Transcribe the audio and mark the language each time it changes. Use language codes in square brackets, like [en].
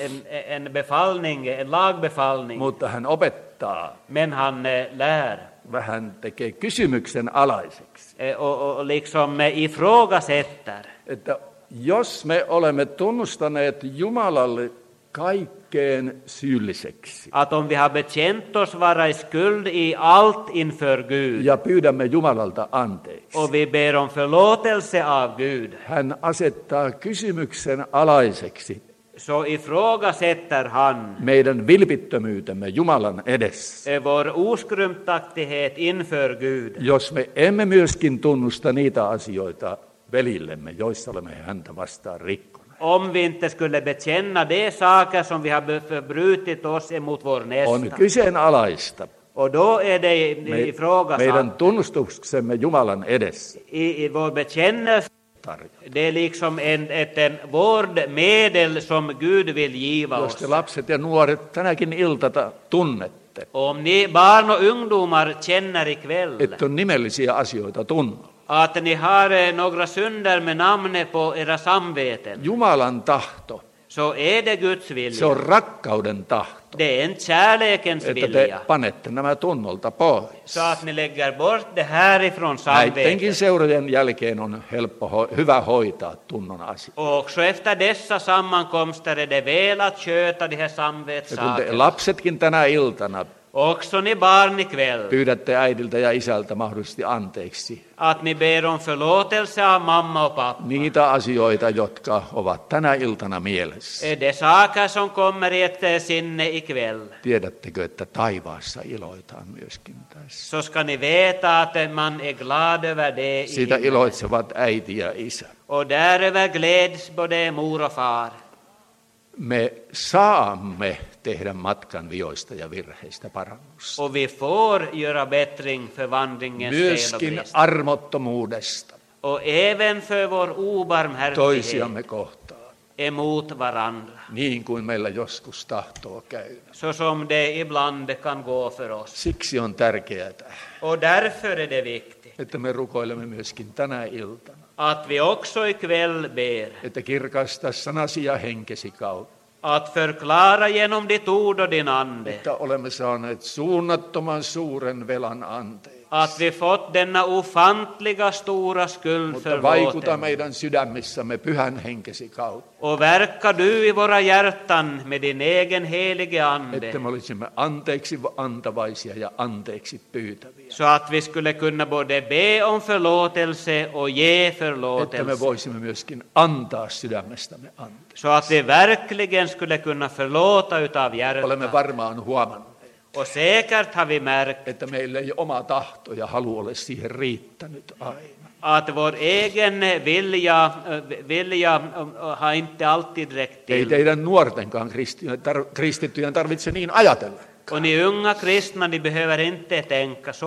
[sv] En befallning, en lagbefallning. [fi] Mutta hän opettaa. [sv] Men han lär. [fi] Vähän tekee kysymyksen alaiseksi. [sv] Liksom ifrågasätter. [fi] Että jos me olemme tunnustaneet Jumalalle kaikkeen syylliseksi. [sv] Att om vi har bekänt oss vara i skuld i allt inför Gud. [fi] Ja pyydämme Jumalalta anteeksi. [sv] Och vi ber om förlåtelse av Gud. [fi] Hän asettaa kysymyksen alaiseksi. [sv] Så ifrågasätter han. [fi] Meidän vilpittömyytemme Jumalan edessä. [sv] Vår oskrymptaktighet inför Gud. [fi] Jos me emme myöskin tunnusta niitä asioita velillemme, joissa olemme häntä vastaan rikkoneet. [sv] Om vi inte skulle bekänna de saker som vi har förbrutit oss emot vår nästa. [fi] On kyseenalaista. [sv] Och då är det ifrågasatt. [fi] Meidän tunnustuksemme Jumalan edessä. [sv] I vår bekännelse. Det är liksom ett vårdmedel som Gud vill giva oss. [fi] Jos te lapset ja nuoret tänäkin iltata tunnette. [sv] Om ni barn och ungdomar känner ikväll. [fi] Että on nimellisiä asioita tunnolla. [sv] Att ni har några synder med namnet på era samveten. [fi] Jumalan tahto. [sv] Så är det Guds vilja. [fi] Se on rakkauden tahto. [sv] Det är en kärlekens vilja. [fi] Että te panette nämä tunnolta pois. [sv] Så att ni lägger bort det här ifrån samveten. [fi] Näidenkin seurojen jälkeen on helppo, hyvä hoitaa tunnon asia. [sv] Också efter dessa sammankomster är det väl att köta de här samvetssakerna. [fi] Ja kun te lapsetkin tänä iltana [sv] Också ni barn ikväll. [fi] Pyydätte äidiltä ja isältä mahdollisesti anteeksi. [sv] Att ni ber om förlåtelse av mamma och pappa. [fi] Niitä asioita, jotka ovat tänä iltana mielessä. [sv] De saker som kommer i ett sinne ikväll. [fi] Tiedättekö, että taivaassa iloitaan myöskin tässä. [sv] Så ska ni veta att man är glad över det i himmelen. [fi] Siitä iloitsevat äiti ja isä. [sv] Och däröver gläds både mor och far. [fi] Me saamme tehdä matkan vioista ja virheistä parannusta. [sv] Och vi får göra bättring för vandringens fel och brist. [fi] Myöskin armottomuudesta. [sv] Och även för vår obarmhärtighet. [fi] Toisiamme kohtaan. [sv] Emot varandra. [fi] Niin kuin meillä joskus tahtoo käydä. [sv] Så som det ibland kan gå för oss. [fi] Siksi on tärkeää. [sv] Och därför är det viktigt. [fi] Että me rukoilemme myöskin tänä iltana. [sv] Att vi också ikväll ber. [fi] Että kirkasta sanasi ja henkesi kautta. [sv] Att förklara genom ditt ord och din ande. [fi] Että olemme saaneet suunnattoman suuren velan anteeksi. [sv] Att vi fått denna ofantliga stora skuld förlåten. [fi] Mutta vaikuta meidän sydämissämme pyhän henkesi kautta. [sv] Och verka du i våra hjärtan med din egen helige ande. [fi] Että me olisimme anteeksi antavaisia ja anteeksi pyytäviä. [sv] Så att vi skulle kunna både be om förlåtelse och ge förlåtelse. [fi] Että me voisimme myöskin antaa sydämestämme anteeksi. [sv] Så att vi verkligen skulle kunna förlåta utav hjärtan. [fi] Olemme varmaan huomanneet. [sv] Och säkert har vi märkt. [fi] Että meillä ei oma tahto ja halu ole siihen riittänyt aina. [sv] Att vår egen vilja har inte alltid räckt till. [fi] Ei teidän nuortenkaan kristittyjen tarvitse niin ajatella. [sv] Och ni unga kristna, ni behöver inte tänka så.